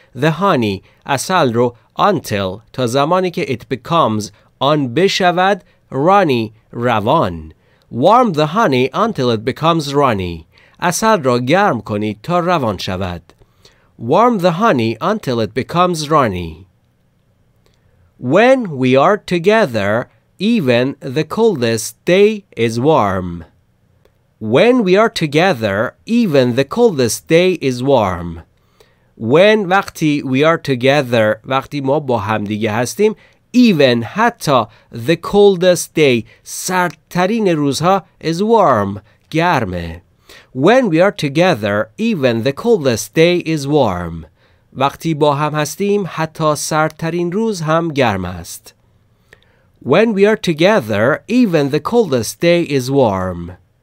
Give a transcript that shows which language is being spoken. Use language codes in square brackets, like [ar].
[en] The honey [fa] عسل رو [en] until [fa] تا زمانی که [en] it becomes [fa] آن بشود [en] runny [fa] روان. [en] Warm the honey until it becomes runny. [fa] عسل را گرم کنید تا روان شود. [en] Warm the honey until it becomes runny. When we are together, even the coldest day is warm. When we are together, even the coldest day is warm. When [fa] وقتی [en] we are together، [fa] وقتی ما با هم دیگه هستیم، [en] even [fa] حتی [en] the coldest day، [fa] سردترین روزها [en] is warm، [fa] گرمه. [en] When we are together, even the coldest day is warm. [fa] وقتی با هم هستیم، حتی سردترین روز هم گرم است. [en] When we are together, even the coldest day is warm.